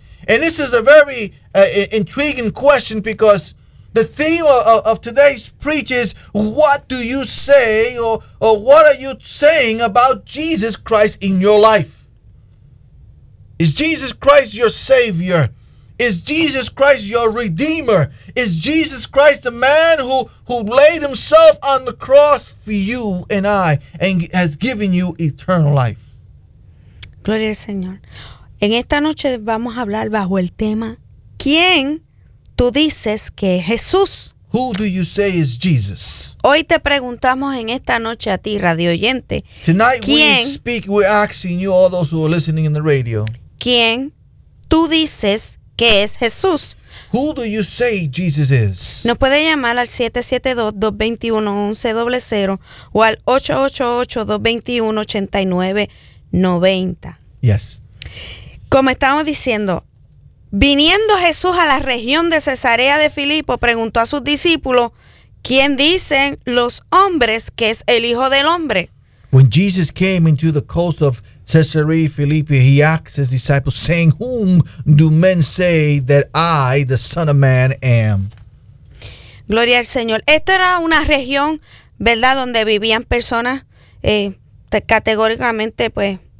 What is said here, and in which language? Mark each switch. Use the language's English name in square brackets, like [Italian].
[English] And this is a very intriguing question, because the theme of today's preach is, what do you say, or what are you saying about Jesus Christ in your life? Is Jesus Christ your Savior? Is Jesus Christ your Redeemer? Is Jesus Christ the man who laid himself on the cross for you and I and has given you eternal life? [Spanish] Gloria al Señor. En esta noche vamos a hablar bajo el tema, ¿quién tú dices que es Jesús? [English] Who do you say is Jesus? [Spanish] Hoy te preguntamos en esta noche a ti, radio oyente. [English] Tonight we're asking you, all those who are listening in the radio. [Spanish] ¿Quién tú dices que es Jesús? [English] Who do you say Jesus is? [Spanish] Nos puede llamar al 772-221-1100 o al 888-221-8990. [English] Yes. [Spanish] Como estamos diciendo, viniendo Jesús a la región de Cesarea de Filipo, preguntó a sus discípulos, ¿quién dicen los hombres que es el Hijo del Hombre? [English] When Jesus came into the coast of Caesarea Philippi, he asked his disciples, saying, whom do men say that I, the Son of Man, am? [Spanish] Gloria al Señor. Esta era una región, ¿verdad?, donde vivían personas categóricamente, pues,